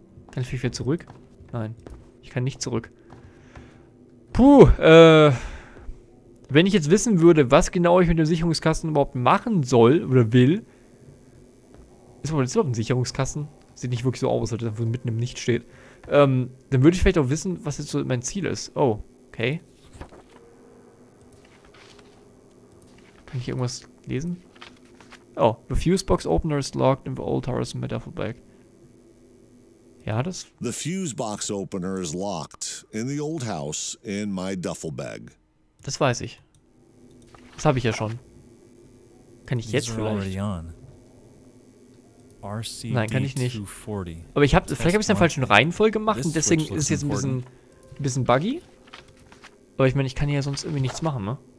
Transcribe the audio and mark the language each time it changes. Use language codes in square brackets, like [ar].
[de] Kann ich mich wieder zurück? Nein, ich kann nicht zurück. Puh, wenn ich jetzt wissen würde, was genau ich mit dem Sicherungskasten überhaupt machen soll oder will. Ist überhaupt ein Sicherungskasten? Sieht nicht wirklich so aus, als ob es mitten im Nichts steht. Dann würde ich vielleicht auch wissen, was jetzt so mein Ziel ist. Oh, okay. Kann ich irgendwas lesen? [en] Oh, the fuse box opener is locked in the old tower's metal bag. [de] Ja, das. [en] The fuse box opener is locked in the old house in my duffel bag. [de] Das weiß ich. Das habe ich ja schon. Kann ich jetzt vielleicht? RCD Nein, kann ich nicht. 240. Aber ich habe, vielleicht habe ich es in der falschen Reihenfolge gemacht und deswegen ist es jetzt ein bisschen buggy. Aber ich meine, ich kann ja sonst irgendwie nichts machen, ne?